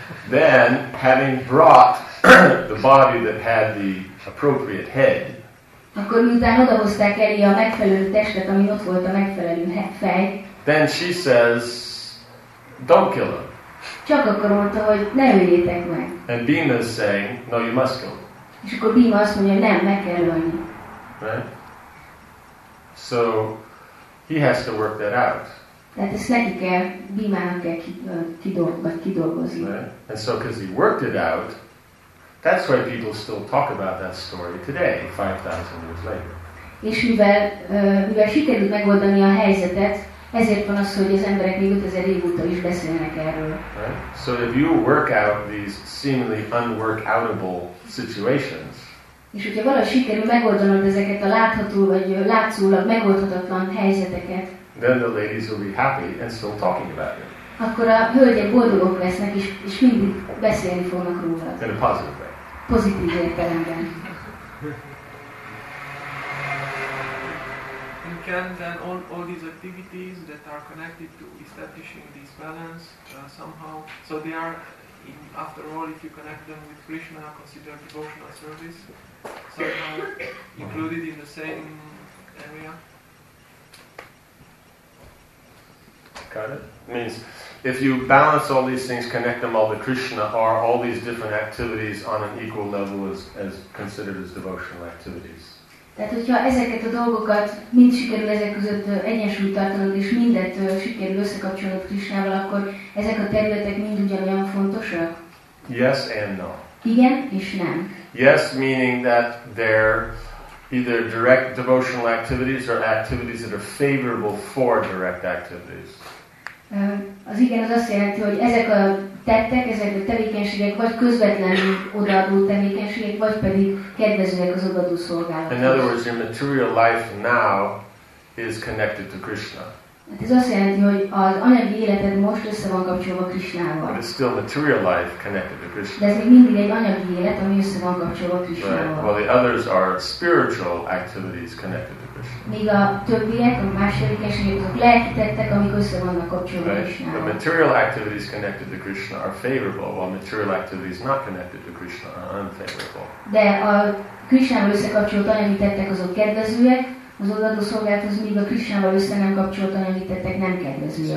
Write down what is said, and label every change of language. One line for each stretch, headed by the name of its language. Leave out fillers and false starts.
English: Then, having brought the body that had the appropriate head,
Hungarian: akkor miután odahozták Eli a megfelelő testet, ami ott volt a megfelelő fej,
English: then she says, don't kill him.
Hungarian: Csak akkor mondta, hogy ne öljétek meg.
English: And Bhima is saying, no, you must kill him.
Hungarian: És akkor Bhima azt mondja, hogy nem, meg kell ölni.
English: Right? So, he has to work that out.
Hungarian: Tehát ezt neki kell, Bhimának kell kidolgozni.
English: Right? And so, because he worked it out, that's why people still talk about that story today, 5,000 years later.
Hungarian: És mivel sikerült megoldani a helyzetet, ezért van az, hogy az emberek még 5000 év óta is beszélnek erről.
English: Right? So if you work out these seemingly unworkoutable situations,
Hungarian: és hogyha valahogy sikerül megoldanod ezeket a látható vagy látszólag megoldhatatlan helyzeteket,
English: then the ladies will be happy and still talking about it.
Hungarian: Akkor a hölgyek boldogok lesznek, és mindig beszélni fognak róla.
English: In a positive way.
Hungarian: Pozitív értelemben.
English: And can then all these activities that are connected to establishing this balance somehow, so they are, in, after all, if you connect them with Krishna, considered devotional service, somehow included in the same area? Got it? Means if you balance all these things, connect them all to Krishna, are all these different activities on an equal level as considered as devotional activities?
Hungarian: Tehát, hogyha ezeket a dolgokat mind sikerül ezek között egyensúlyt tartanod, és mindet sikerül összekapcsolod Krisnával, akkor ezek a területek mind ugyanolyan fontosak?
English: Yes and no.
Hungarian: Igen és nem.
English: Yes, meaning that they're either direct devotional activities or activities that are favorable for direct activities.
Hungarian: Az igen az azt jelenti, hogy ezek a tettek, ezek a tevékenységek vagy közvetlen odaadó tevékenységek, vagy pedig kedvezőek az odaadó szolgálatok.
English: In other words, your material life now is connected to Krishna.
Hungarian: Hát ez azt jelenti, hogy az anyagi életed most össze van kapcsolva Krishnával.
English: But it's still material life connected to Krishna.
Hungarian: De ez még mindig egy anyagi élet, ami össze van kapcsolva Krishnával.
English: Right. Well, the others are spiritual activities connected to Krishna.
Hungarian: Míg a többiek, a más tevékenységek, lelki tettek, amik össze vannak kapcsolva Krishnával.
English: The material activities connected to Krishna are favorable, while material activities not connected to Krishna are unfavorable.
Hungarian: De a Krishnával összekapcsolt anyagi tettek azok kedvezőek, az odaadó szolgálathoz még a Krisnával össze nem kapcsolatban említettek nem kedvezőek.